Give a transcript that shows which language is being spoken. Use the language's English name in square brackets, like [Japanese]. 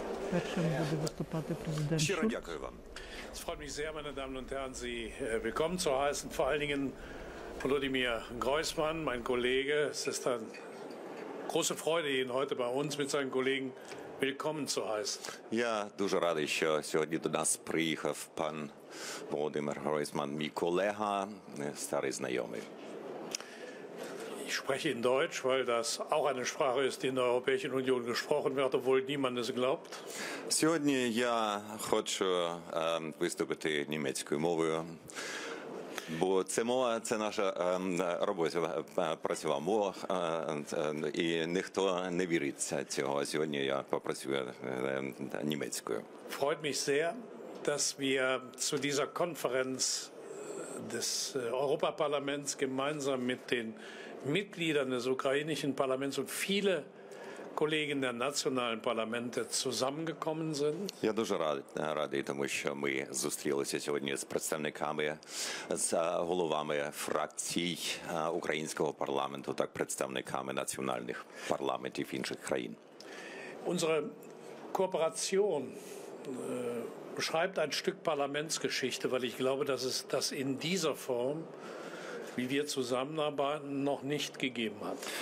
[Ukrainian] Першим буде виступати президент Шульц. Щиро дякую вам. [German] Es freut mich sehr, meine Damen und Herren, Sie willkommen zu heißen. Vor allen Dingen Volodymyr Groysman, mein Kollege. Es ist eine große Freude, ihn heute bei uns mit seinen Kollegen willkommen zu heißen. [Ukrainian] Я дуже радий, що сьогодні до нас приїхав пан Володимир Гройсман, мій колега, старий знайомий. [German] Ich spreche in Deutsch, weil das auch eine Sprache ist, die in der Europäischen Union gesprochen wird, obwohl niemand es glaubt. [Ukrainian] Сьогодні я хочу виступити німецькою мовою, бо це мова, це наша робоча працьова мова, і ніхто не вірить цього. Сьогодні я попрацюю німецькою. [German] Freut mich sehr, dass wir zu dieser Konferenz des Europaparlaments gemeinsam mit den Mitgliedern des ukrainischen Parlaments und viele Kollegen der nationalen Parlamente zusammengekommen sind. [Ukrainian] Я дуже радий, тому що ми зустрілися сьогодні з представниками, з головами фракцій українського парламенту, так представниками національних парламентів інших країн. [German] Unsere Kooperation beschreibt ein Stück Parlamentsgeschichte, weil ich glaube, dass es das in dieser Form, wie wir zusammenarbeiten, noch nicht gegeben hat.